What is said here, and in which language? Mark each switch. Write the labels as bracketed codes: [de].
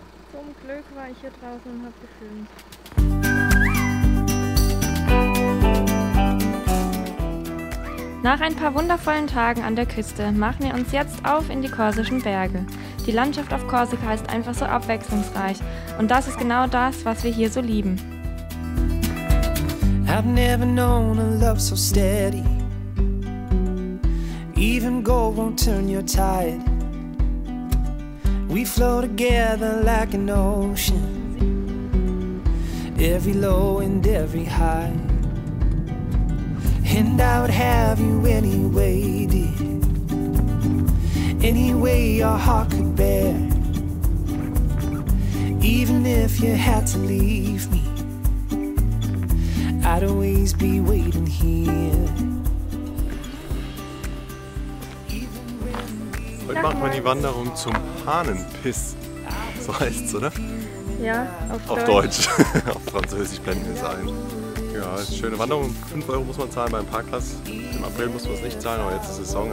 [de] Zum Glück war ich hier draußen und hab gefilmt. Nach ein paar wundervollen Tagen an der Küste machen wir uns jetzt auf in die korsischen Berge. Die Landschaft auf Korsika ist einfach so abwechslungsreich. Und das ist genau das, was wir hier so lieben. [en] I've never known a love so steady. Even gold won't turn your tide. We flow together like an ocean. every low and every high. And I would have you anyway, dear, any way your heart could bear. Even if you had to leave me, I'd always be waiting here. [de] Heute macht man die Wanderung zum Hahnenpiss, so heißt es, oder? Ja, auf Deutsch. Auf Französisch blenden wir es ein. Ja, schöne Wanderung. 5 Euro muss man zahlen beim Parkplatz. Im April muss man es nicht zahlen, aber jetzt ist Saison.